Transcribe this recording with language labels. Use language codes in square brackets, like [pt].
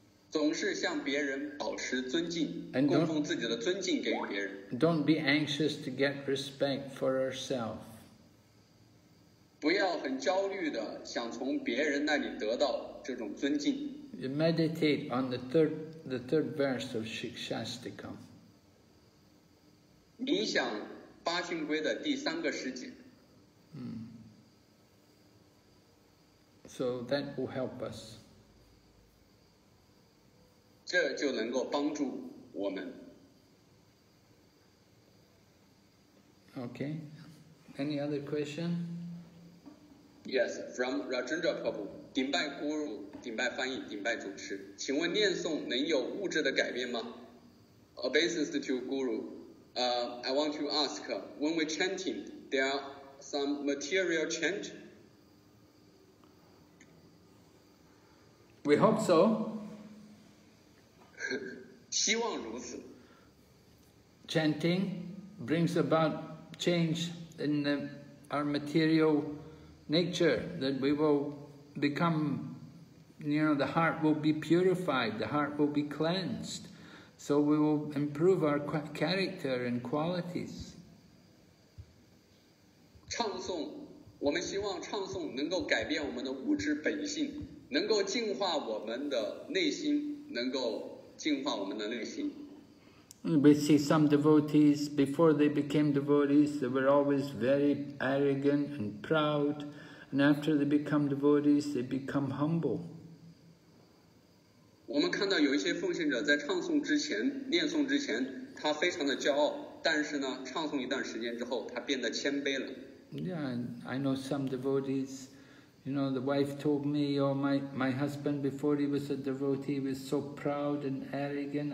[zh] 总是向别人保持尊敬，供奉自己的尊敬给别人。 [en] Don't be anxious to get respect for yourself. [zh] 不要很焦虑的想从别人那里得到这种尊敬。 [en] Meditate on the third verse of Shikshastikam. [zh] 冥想八训规的第三个十节。 [en] So that will help us. [zh] 这就能够帮助我们。 [en] Okay. Any other question? Yes, from Rajendra Prabhu. [zh] 顶拜 Guru, 顶拜翻译，顶拜主持。请问念诵能有物质的改变吗？ [en] Obeisance to Guru. I want to ask, when we're chanting, there are some material chant? We hope so. [zh] 希望如此。 [en] Chanting brings about change in our material nature, that we will become, you know, the heart will be purified, the heart will be cleansed. So we will improve our character and qualities. [zh] 唱诵，我们希望唱诵能够改变我们的物质本性。能够净化我们的内心，能够净化我们的内心。 [en] We see some devotees before they became devotees, they were always very arrogant and proud, and after they become devotees, they become humble. [zh] 我们看到有一些奉献者在唱诵之前、念诵之前，他非常的骄傲，但是呢，唱诵一段时间之后，他变得谦卑了。 [en] Yeah, I know some devotees. You know, the wife told me, oh, my husband, before he was a devotee, he was so proud and arrogant.